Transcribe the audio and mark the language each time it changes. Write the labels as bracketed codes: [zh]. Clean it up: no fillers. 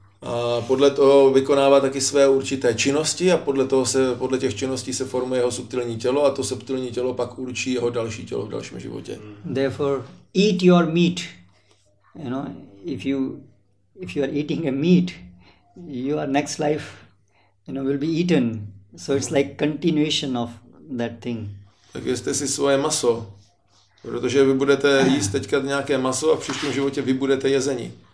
[cs] A podle toho vykonává taky své určité činnosti a podle těch činností se formuje jeho subtilní tělo a to subtilní tělo pak určí jeho další tělo v dalším životě. [en] Therefore eat your meat, you know, if you are eating a meat, your next life, you know, will be eaten. So it's like continuation of that thing. [cs] Tak jeste si svoje maso, protože vy budete jíst teďka nějaké maso a v příštím životě vy budete jezeni.